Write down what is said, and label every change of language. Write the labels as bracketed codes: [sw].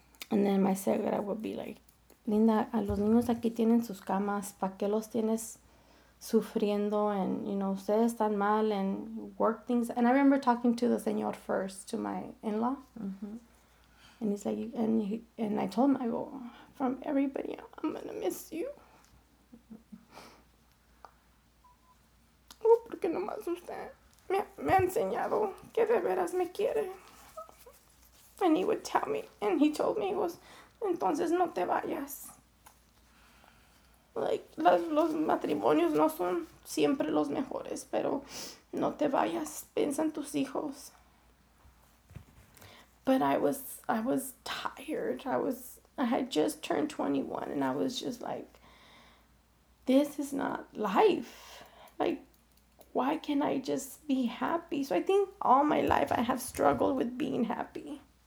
[en] And then my segura would be like, [es] Linda, a los niños aquí tienen sus camas, ¿pa qué los tienes sufriendo? [en] And, you know, [es] ustedes están mal, [en] and work things. And I remember talking to the señor first, to my in-law. Mm-hmm. And he's like, and I told him, I go, from everybody, I'm going to miss you. [es] ¿Por qué nomás usted me ha enseñado que de veras me quiere? [en] And he would tell me, and he told me, he goes, [es] entonces no te vayas. Like, los matrimonios no son siempre los mejores, pero no te vayas, piensa en tus hijos. [en] But I was tired. I had just turned 21, and I was just like, this is not life. Like, why can't I just be happy? So I think all my life I have struggled with being happy.